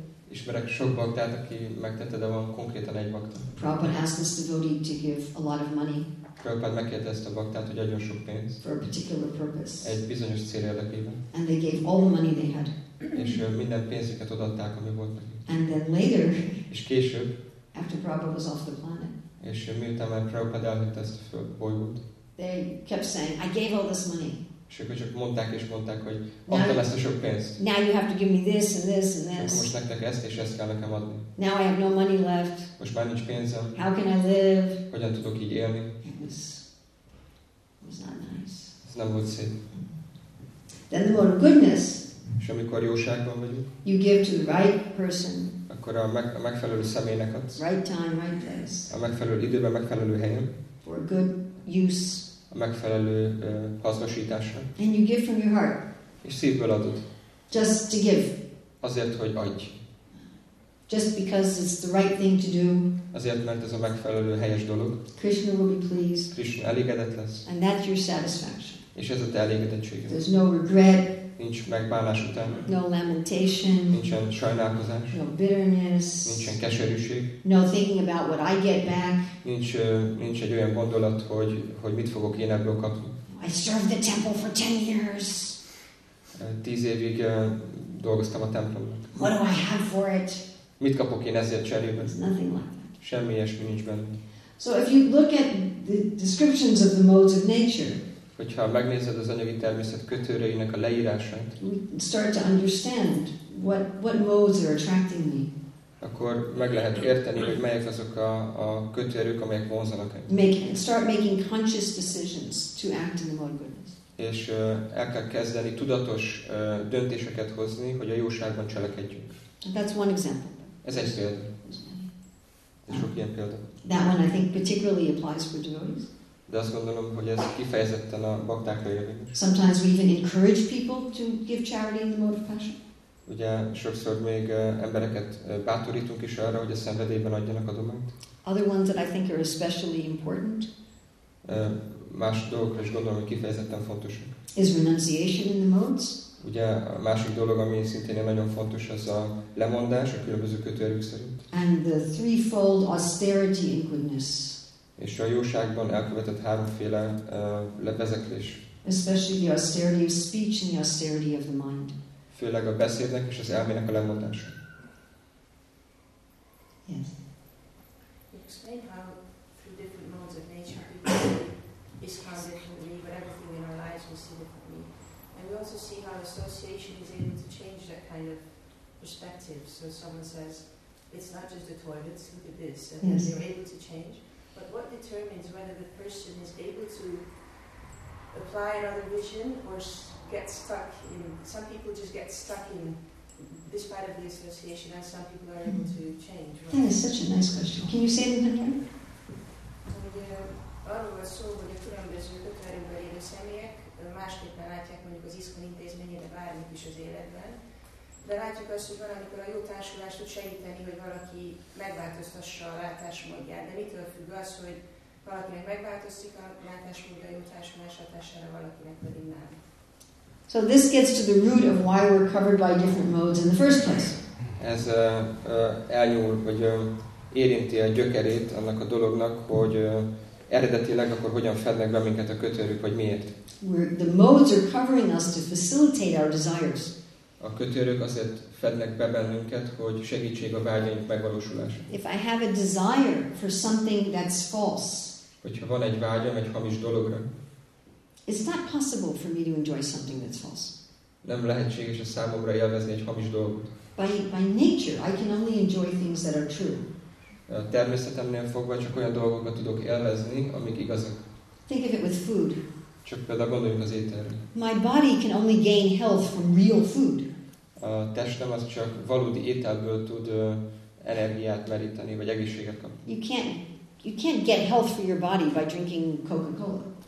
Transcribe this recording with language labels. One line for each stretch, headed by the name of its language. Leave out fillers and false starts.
Hungarian: Ismerek sok baktát, aki megtette, de van konkrétan egy bakta.
English: Prabhupada asked this devotee to give a lot of money.
Hungarian: Prabhupada megkérte ezt a baktát, hogy adjon sok pénzt.
English: For a particular purpose.
Hungarian: Egy bizonyos cél érdekében.
English: And they gave all the money they had.
Hungarian: És minden pénzüket odaadták, ami volt nekik.
English: And then later.
Hungarian: És később.
English: After Prabhupada was off the planet.
Hungarian: És miután már Prabhupada elhagyta ezt a bolygót.
English: They kept saying, I gave all this money.
Hungarian: És akkor csak mondták és mondták, hogy adtam ezt a sok pénzt.
English: Now you have to give me this and this and this.
Hungarian: Csak most nektek ezt és ezt kell nekem adni.
English: Now I have no money left.
Hungarian: Most már nincs pénzem.
English: How can I live?
Hungarian: Hogyan tudok így élni?
English: It was not nice.
Hungarian: Ez nem volt szép.
English: Then the more goodness.
Hungarian: És amikor jóságban vagyunk.
English: You give to the right person.
Hungarian: Akkor a megfelelő személynek adsz.
English: Right time, right place.
Hungarian: A megfelelő időben, megfelelő helyen.
English: For a good use.
Hungarian: A megfelelő hasznosításra.
English: And you give from your heart.
Hungarian: És szívből adod.
English: Just to give.
Hungarian: Azért, hogy adj.
English: Just because it's the right thing to do.
Hungarian: Azért, mert ez a megfelelő helyes dolog.
English: Krishna will be pleased.
Hungarian: Krishna elégedett lesz.
English: And that's your satisfaction.
Hungarian: És ez a te elégedettséged.
English: There's no regret.
Hungarian: Nincs megbánás után.
English: No lamentation.
Hungarian: Nincsen sajnálkozás.
English: No bitterness.
Hungarian: Nincsen keserűség.
English: No thinking about what I get back.
Hungarian: Nincs egy olyan gondolat, hogy mit fogok én ebből kapni.
English: I served the temple for 10 years.
Hungarian: 10 évig dolgoztam a templomnak.
English: What do I have for it?
Hungarian: Mit kapok én ezért cserében?
English: Nothing like that.
Hungarian: Semmi ilyesmi nincs benne.
English: So if you look at the descriptions of the modes of nature.
Hungarian: Hogyha megnézed az anyagi természet kötőreinek a leírását,
English: start to understand what modes are attracting me.
Hungarian: Akkor meg lehet érteni, hogy melyek azok a kötőerők, amelyek vonzanak engem.
English: Start making conscious decisions to act in the mode of goodness.
Hungarian: És el kell kezdeni tudatos döntéseket hozni, hogy a jóságban cselekedjünk.
English: That's one example.
Hungarian: Ez egy példa. Ez sok ilyen példa.
English: That one I think particularly applies for devotees.
Hungarian: De azt gondolom, hogy ez kifejezetten a baktákra érvényes.
English: Sometimes we even encourage people to give charity in the mode of passion.
Hungarian: Ugye sokszor még embereket bátorítunk is arra, hogy a szenvedélyben adjanak adományt.
English: Other ones that I think are especially important.
Hungarian: Más dolgokra is gondolom, hogy kifejezetten fontosak.
English: Is renunciation in the modes.
Hungarian: Ugye a másik dolog, ami szintén nagyon fontos, az a lemondás a különböző kötőerők szerint.
English: And the threefold austerity in goodness.
Hungarian: És a jóságban elkövetett háromféle lebezeklés.
English: Especially the austerity of speech and the austerity of the mind.
Hungarian: Főleg a beszédnek és az elmének a lemondása.
English: Yes. Explain how three different modes of nature is how differently, but everything in our lives we see differently. And we also see how association is able to change that kind of perspective. So someone says, it's not just the toilets, look at this. And yes. They're able to change. But what determines whether the person is able to apply another vision or get stuck in? Some people just get stuck in, despite of the association, and some people are able to change. Right? That is such a nice question. Can you say it again?
Hungarian: Arról szó, hogy a különböző kötőerőkben lévő személyek másképpen látják mondjuk az ISKCON intézményére bármit is az életben. De látjuk azt, hogy valamikor a jó társulást tud segíteni, hogy valaki megváltoztassa a látásmódját. De mitől függ az, hogy valakinek megváltoztik a látásmódja, a jó társulás hatására valakinek pedig nem?
English: So this gets to the root of why we're covered by different modes in the first place.
Hungarian: Ez elnyúl, vagy érinti a gyökerét annak a dolognak, hogy eredetileg akkor hogyan fednek be minket a kötőerők, vagy miért?
English: The modes are covering us to facilitate our desires.
Hungarian: A kötőerők azért fednek be bennünket, hogy segítség a vágyaink megvalósulása.
English: If I have a desire for something that's false,
Hungarian: hogyha van egy vágyam egy hamis dologra,
English: it's not possible for me to enjoy something that's false.
Hungarian: Nem lehetséges a számomra élvezni egy hamis dolgot.
English: By nature, I can only enjoy things that are true.
Hungarian: A természetemnél fogva csak olyan dolgokat tudok élvezni, amik igazak.
English: Think of it with food.
Hungarian: Csak például gondoljunk az ételre.
English: My body can only gain health from real food.
Hungarian: a testem az csak valódi ételből tud energiát meríteni, vagy egészséget kapni.
English: You can't get health for your body by drinking Coca-Cola.